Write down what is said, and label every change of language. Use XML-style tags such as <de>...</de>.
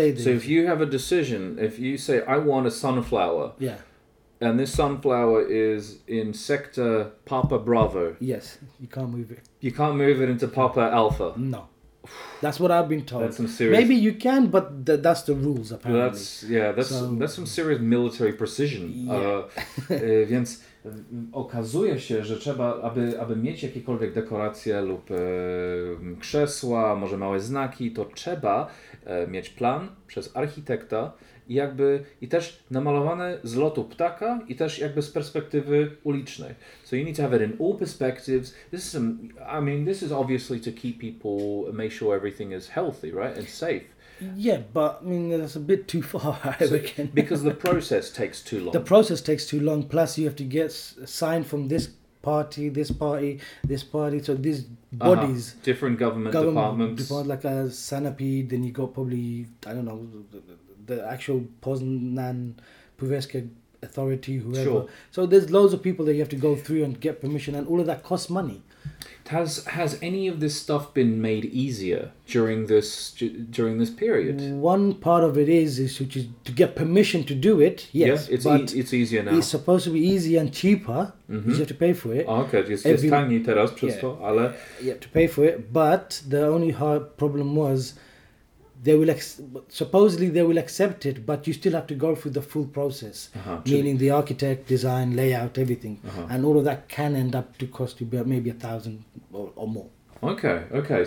<en>if you have a decision, if you say, I want a sunflower. Yeah. And this sunflower is in sector Papa Bravo. Yes, you can't move it. You can't move it into Papa Alpha. No. That's what I've been told. That's some serious... Maybe you can, but that's the rules, apparently. That's some serious military precision. Yeah.</en> <pl>Więc okazuje się, że trzeba, aby mieć jakiekolwiek dekoracje lub krzesła, może małe znaki, to trzeba mieć plan przez architekta, jakby i też namalowane z lotu ptaka i też jakby z perspektywy ulicznej.</pl> <en>So you need to have it in all perspectives. This is obviously to keep people, make sure everything is healthy, right? And safe. Yeah, but I mean, that's a bit too far, I reckon. Because the process takes too long. The process takes too long. Plus, you have to get signed from this party, this party, this party. So these bodies. Uh-huh. Different government departments. Department, like a Sanapid, then you got probably, I don't know, the actual Poznan Puveska authority, whoever. Sure. So there's loads of people that you have to go through and get permission, and all of that costs money. Has any of this stuff been made easier during this period? One part of it is which is to get permission to do it. Yes, yeah, it's easier now. It's supposed to be easier and cheaper. Mm-hmm. You have to pay for it. Okay, just tangy teraz przez to, ale yeah, to pay for it. But the only hard problem was they will accept it, but you still have to go through the full process, uh-huh, meaning the architect, design, layout, everything. Uh-huh. And all of that can end up to cost you maybe $1,000 or more. Okay.</en>